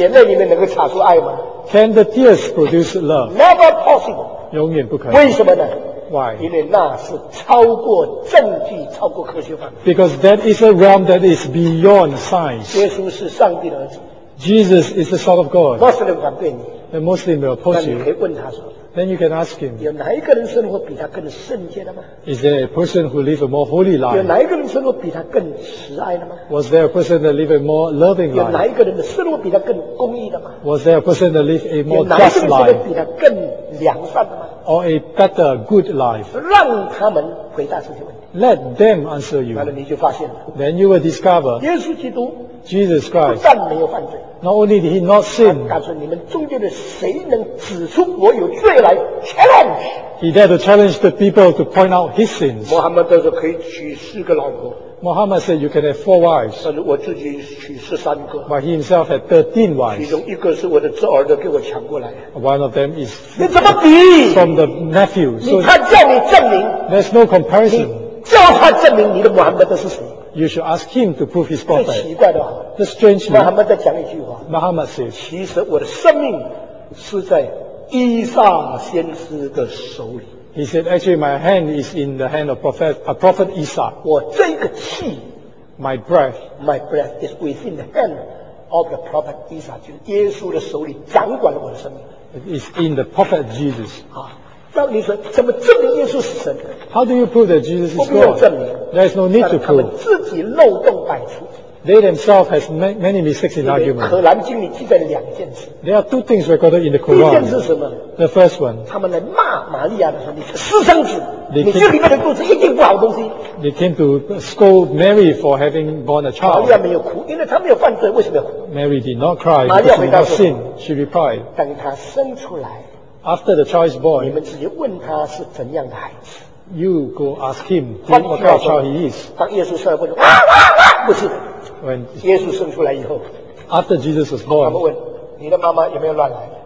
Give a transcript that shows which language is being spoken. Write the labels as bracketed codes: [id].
[zh] 眼泪里面能够查出爱吗 [en] ？Can the tears produce love? Never possible. [zh] 永远不可能。为什么呢？ [en] Why? [zh] 因为那是超过证据、超过科学范围。 [en] Because that is a realm that is beyond science. [zh] 耶稣是上帝的儿子。 [en] Jesus is the Son of God. [zh] Muslim 反对你。 [en] The Muslim will oppose you. [zh] 那你可以问他说。 [en] Then you can ask him. [zh] 有哪一个人生活比他更圣洁的吗 [en] ？Is there a person who live a more holy life? [zh] 有哪一个人生活比他更慈爱的吗 [en] ？Was there a person that live a more loving life? [zh] 有哪一个人的生活比他更公义的吗 [en] ？Was there a person that live a more just life? [zh] 有哪一个人比他更良善的吗 [en] ？Or a better good life? [zh] 让他们回答这些问题。 [en] Let them answer you. [zh] 那你就发现了。 [en] Then you will discover. [zh] 耶稣基督。 [en] Jesus Christ. [zh] 不但没有犯罪。 [en] Not only did he not sin. [zh] 告诉你们中间的谁能指出我有罪来 challenge. [en] He dared to challenge the people to point out his sins. [zh] 穆罕默德说可以娶四个老婆。 [en] Muhammad said you can have four wives. [zh] 但是我自己娶十三个。 [en] But he himself had 13 wives. [zh] 其中一个是我的侄儿子给我抢过来。 [en] One of them is. [zh] 你怎么比 [en] ？From the nephew. [zh] 你看叫你证明。 [en] There's no comparison. [zh] 叫他证明你的穆罕默德是谁。 [en] You should ask him to prove his prophet. [zh] 最奇怪的， [en] 这 strange. [zh] Muhammad 再讲一句话。 [en] Muhammad says, [zh] 其实我的生命是在以撒先知的手里。 [en] He said, actually, my hand is in the hand of prophet, a prophet Isa. [zh] 我这个气 [en] my breath is within the hand of the prophet Isa, [zh] 就是耶稣的手里掌管了我的生命。 [en] It is in the prophet Jesus. [zh] 到底说怎么证明耶稣是神 [en] ？How do you prove that Jesus is God？ [zh] 不用证明 [en] ，There is no need to prove。 [zh] 他们自己漏洞百出。 [en] They themselves has many mistakes in argument。 [zh] 可兰经里记载两件事。 [en] There are two things recorded in the Quran。 [zh] 第一件是什么 [en] ？The first one。 [zh] 他们来骂玛利亚的时候，你是私生子， came, 你这里面的肚子一定不好东西。 [en] They came to scold Mary for having born a child。 [zh] 玛利亚没有哭，因为她没有犯罪，为什么要哭 [en] ？Mary did not cry because she did not sin。 She replied。 [zh] 等她生出来。 [en] After the child is born, [zh] 你们直接问他是怎样的孩子。 [en] You go ask him what kind of child he is. [zh] 当耶稣出来问，哇哇哇，不是。 [en] When [zh] 耶稣生出来以后 [en] ，After Jesus was born, [zh] 他们问你的妈妈有没有乱来